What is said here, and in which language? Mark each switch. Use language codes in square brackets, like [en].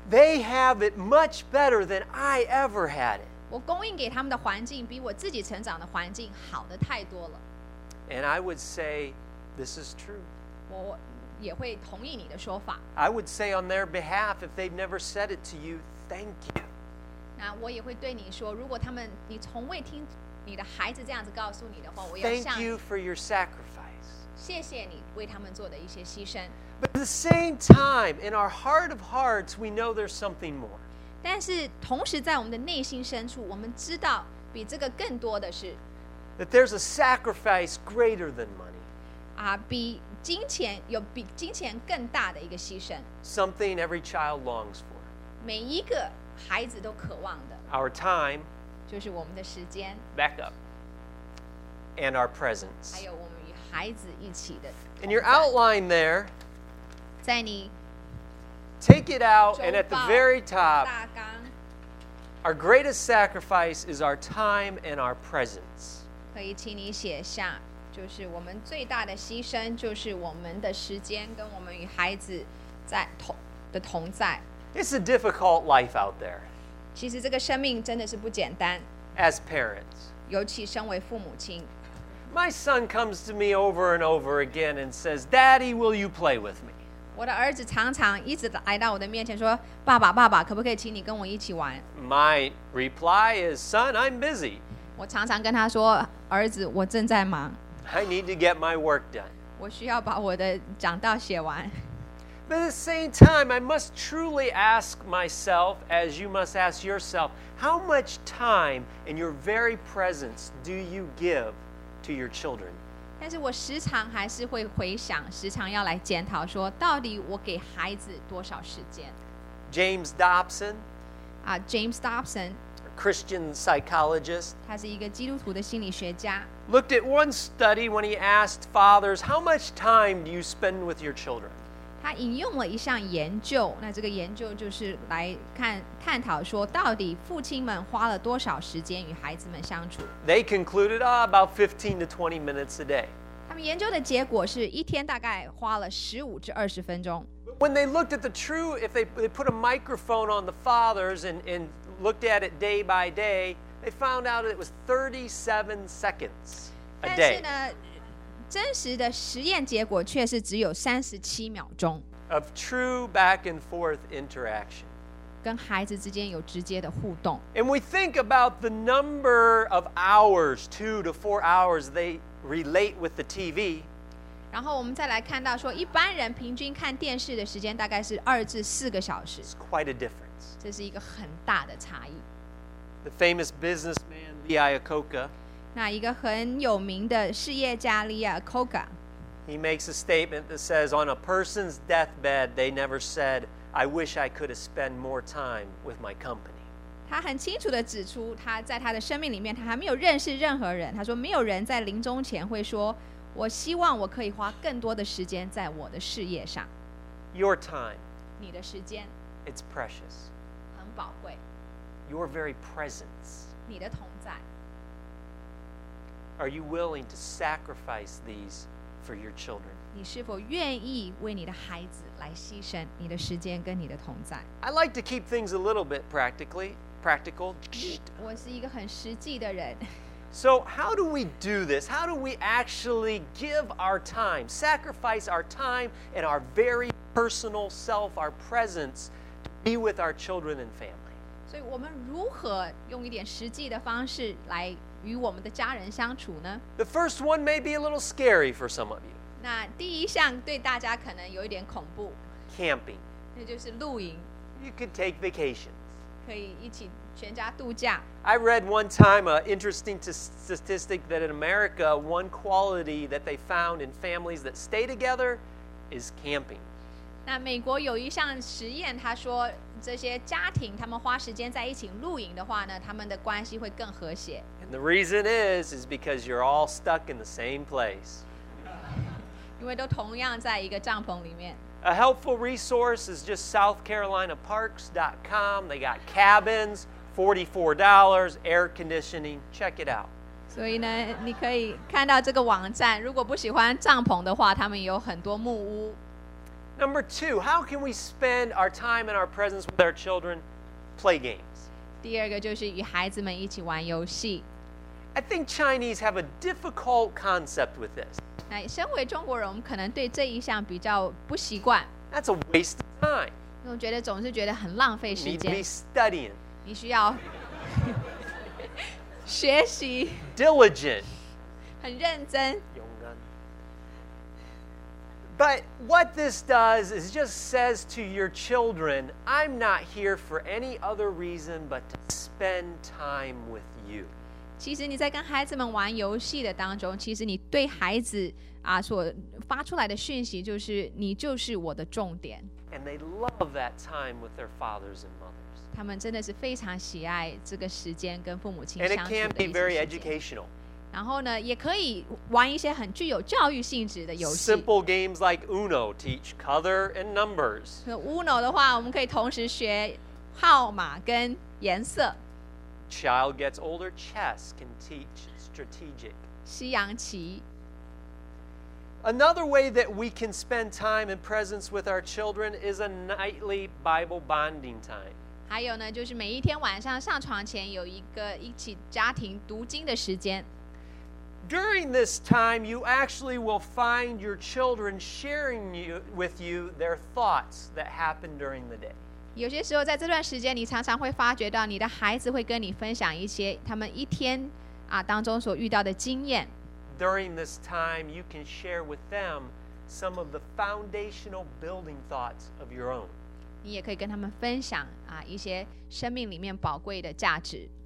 [en] They have it much better than I ever had it。 [zh] 我供应给他们的环境比我自己成长的环境好的太多了。 [en] And I would say this is true。 [zh] 我也会同意你的说法。 [en] I would say on their behalf if they've never said it to you。 Thank you. [zh] 那我也会对你说，如果他们你从未听你的孩子这样子告诉你的话，我要向你。 [en] Thank you for your sacrifice. [zh] 谢谢你为他们做的一些牺牲。 [en] But at the same time, in our heart of hearts, we know there's something more. [zh] 但是同时在我们的内心深处，我们知道比这个更多的是。 [en] That there's a sacrifice greater than money. [zh] 啊，比金钱有比金钱更大的一个牺牲。 [en] Something every child longs for. [zh] 每一个孩子都渴望的 [en] ，our time， [zh] 就是我们的时间 [en] ，back up， and our presence， [zh] 还有我们与孩子一起的。 [en] In your outline there， [zh] 在你 [en] ，take it out， and at the very top， [zh] 大纲 [en] ，our greatest sacrifice is our time and our presence。 [zh] 可以请你写下，就是我们最大的牺牲，就是我们的时间跟我们与孩子在同在。 [en] It's a difficult life out there. [zh] 其实这个生命真的是不简单。 [en] As parents. [zh] 尤其身为父母亲。 [en] My son comes to me over and over again and says, Daddy, will you play with me? [zh] 我的儿子常常一直来到我的面前说，爸爸，爸爸，可不可以请你跟我一起玩？ [en] My reply is, Son, I'm busy. [zh] 我常常跟他说，儿子，我正在忙。 [en] I need to get my work done. [zh] 我需要把我的讲道写完。 [en] But at the same time, I must truly ask myself, as you must ask yourself, how much time in your very presence do you give to your children? [zh] 但是我时常还是会回想，时常要来检讨说，到底我给孩子多少时间？ [en] James Dobson. James Dobson. A Christian psychologist. [zh] 他是一个基督徒的心理学家。 [en] Looked at one study when he asked fathers, how much time do you spend with your children? [zh] 他引用了一项研究，那这个研究就是来看探讨说，到底父亲们花了多少时间与孩子们相处。 [en] They concluded, about 15 to 20 minutes a day. [zh] 他们研究的结果是一天大概花了15至20分钟。 [en] When they looked at the true, if they put a microphone on the fathers and looked at it day by day, they found out it was 37 seconds a day. [zh] 但是呢真实的实验结果却是只有37秒钟 [en] of true back and forth interaction [zh] 跟孩子之间有直接的互动 [en] and we think about the number of hours 2 to 4 hours they relate with the TV [zh] 然后我们再来看到说一般人平均看电视的时间大概是2至4个小时 [en] it's quite a difference [zh] 这是一个很大的差异 [en] the famous businessman Lee Iacocca [zh] 那一个很有名的事业家利亚·寇格 [en] He makes a statement that says on a person's deathbed they never said I wish I could have spent more time with my company [zh] 他很清楚地指出他在他的生命里面他还没有认识任何人他说没有人在临终前会说我希望我可以花更多的时间在我的事业上 [en] Your time [zh] 你的时间 [en] It's precious [zh] 很宝贵 [en] Your very presence [zh] 你的同在 [en] Are you willing to sacrifice these for your children? [zh] 你是否愿意为你的孩子来牺牲你的时间跟你的同在？ [en] I like to keep things a little bit practical. [zh] 我是一个很实际的人。 [en] So how do we do this? How do we actually give our time, sacrifice our time and our very personal self, our presence, to be with our children and family? [zh] 所以我们如何用一点实际的方式来与我们的家人相处呢？ [en] The first one may be a little scary for some of you. [zh] 那第一项对大家可能有一点恐怖。 [en] Camping. [zh] 那就是露营。 [en] You can take vacations. [zh] 可以一起全家度假。 [en] I read one time an interesting statistic that in America, one quality that they found in families that stay together is camping. [zh] 那美国有一项实验，他说这些家庭他们花时间在一起露营的话呢，他们的关系会更和谐。 [en] And the reason is because you're all stuck in the same place. [zh] 因为都同样在一个帐篷里面。 [en] A helpful resource is just SouthCarolinaParks.com. They got cabins, $44, air conditioning. Check it out. [zh] 所以呢，你可以看到这个网站。如果不喜欢帐篷的话，他们有很多木屋。 [en] Number two, how can we spend our time and our presence with our children? Play games. [zh] 第二个就是与孩子们一起玩游戏。 [en] I think Chinese have a difficult concept with this. [zh] 那身为中国人，我们可能对这一项比较不习惯。 [en] That's a waste of time. [zh] 因为我觉得总是觉得很浪费时间。 [en] You need to be studying. [zh] 你需要学习。 [en] Diligent. [zh] 很认真。 [en] But what this does is just says to your children, I'm not here for any other reason but to spend time with you. [zh] 其实你在跟孩子们玩游戏的当中，其实你对孩子啊所发出来的讯息就是你就是我的重点。 [en] And they love that time with their fathers and mothers. [zh] 他们真的是非常喜爱这个时间跟父母亲相处的一些时间。 [en] And it can be very educational. [zh] 然后呢，也可以玩一些很具有教育性质的游戏。 [en] Simple games like Uno teach color and numbers. [zh] Uno 的话，我们可以同时学号码跟颜色。 [en] Child gets older, chess can teach strategic. [zh] 西洋棋。 [en] Another way that we can spend time and presence with our children is a nightly Bible bonding time. [zh] 还有呢，就是每一天晚上上床前有一个一起家庭读经的时间。 [en] During this time, you actually will find your children sharing with you their thoughts that happened during the day. [zh] 有些时候在这段时间，你常常会发觉到你的孩子会跟你分享一些他们一天啊当中所遇到的经验。 [en] During this time, you can share with them some of the foundational building thoughts of your own. [zh] 你也可以跟他们分享啊一些生命里面宝贵的价值。